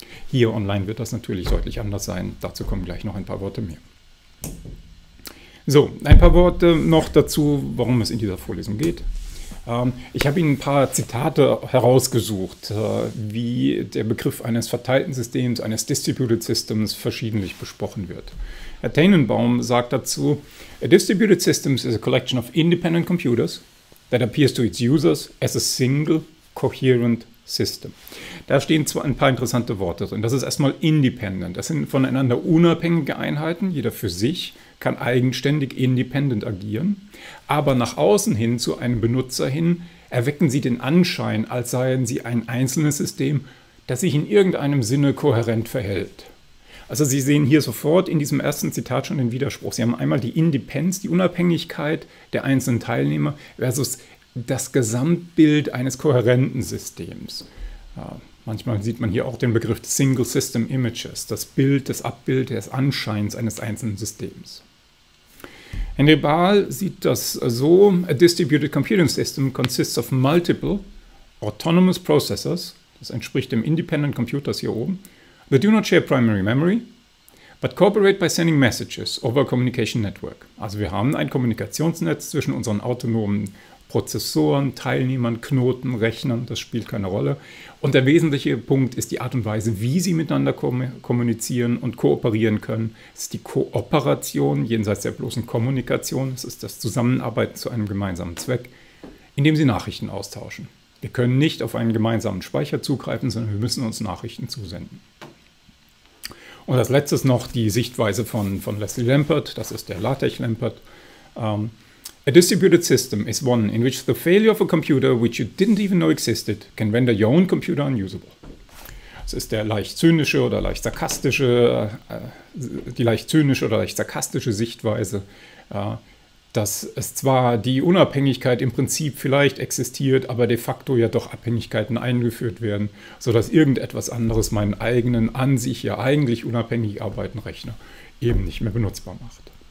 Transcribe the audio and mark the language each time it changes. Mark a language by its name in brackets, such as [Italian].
[German] Hier online wird das natürlich deutlich anders sein. Dazu kommen gleich noch ein paar Worte mehr. So, ein paar Worte noch dazu, worum es in dieser Vorlesung geht. Ich habe Ihnen ein paar Zitate herausgesucht, wie der Begriff eines verteilten Systems, eines Distributed Systems, verschiedentlich besprochen wird. Herr Tenenbaum sagt dazu: [English] A distributed systems is a collection of independent computers that appears to its users as a single coherent system. [German] Da stehen zwar ein paar interessante Worte drin. Das ist erstmal independent. Das sind voneinander unabhängige Einheiten. Jeder für sich kann eigenständig independent agieren. Aber nach außen hin, zu einem Benutzer hin, erwecken sie den Anschein, als seien sie ein einzelnes System, das sich in irgendeinem Sinne kohärent verhält. Also Sie sehen hier sofort in diesem ersten Zitat schon den Widerspruch. Sie haben einmal die Independenz, die Unabhängigkeit der einzelnen Teilnehmer versus das Gesamtbild eines kohärenten Systems. Manchmal sieht man hier auch den Begriff Single System Images, das Bild, das Abbild des Anscheins eines einzelnen Systems. Henry Bahl sieht das so: [English] A distributed computing system consists of multiple autonomous processors. [German] Das entspricht dem Independent Computers hier oben. [English] They do not share primary memory, but cooperate by sending messages over a communication network. [German] Also wir haben ein Kommunikationsnetz zwischen unseren autonomen Prozessoren, Teilnehmern, Knoten, Rechnern, das spielt keine Rolle. Und der wesentliche Punkt ist die Art und Weise, wie sie miteinander kommunizieren und kooperieren können. Es ist die Kooperation jenseits der bloßen Kommunikation. Es ist das Zusammenarbeiten zu einem gemeinsamen Zweck, indem sie Nachrichten austauschen. Wir können nicht auf einen gemeinsamen Speicher zugreifen, sondern wir müssen uns Nachrichten zusenden. Und als letztes noch die Sichtweise von Leslie Lampert, das ist der LaTeX-Lampert. [English] A distributed system is one in which the failure of a computer, which you didn't even know existed, can render your own computer unusable. [German] Das ist der leicht zynische oder leicht sarkastische, die leicht zynische oder leicht sarkastische Sichtweise, dass es zwar die Unabhängigkeit im Prinzip vielleicht existiert, aber de facto ja doch Abhängigkeiten eingeführt werden, sodass irgendetwas anderes meinen eigenen, an sich ja eigentlich unabhängig arbeitenden Rechner eben nicht mehr benutzbar macht.